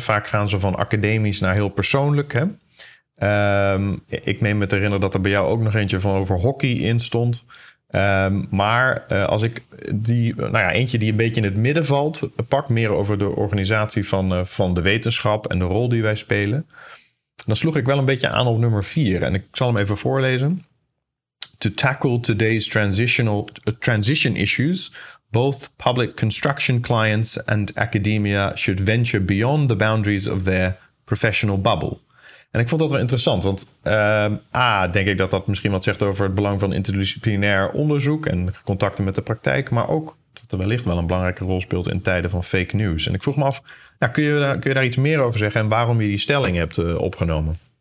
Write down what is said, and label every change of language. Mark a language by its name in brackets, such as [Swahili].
[Dutch] Vaak gaan ze van academisch naar heel persoonlijk. Hè? Ik meen me te herinneren dat er bij jou ook nog eentje van over hockey in stond. Eentje die een beetje in het midden valt, pak meer over de organisatie van de wetenschap en de rol die wij spelen. Dan sloeg ik wel een beetje aan op nummer 4 en ik zal hem even voorlezen. [English] To tackle today's transition issues, both public construction clients and academia should venture beyond the boundaries of their professional bubble. [Dutch] En ik vond dat wel interessant, want denk ik dat dat misschien wat zegt over het belang van interdisciplinair onderzoek en contacten met de praktijk, maar ook dat er wellicht wel een belangrijke rol speelt in tijden van fake news. En ik vroeg me af, kun je daar iets meer over zeggen en waarom je die stelling hebt opgenomen?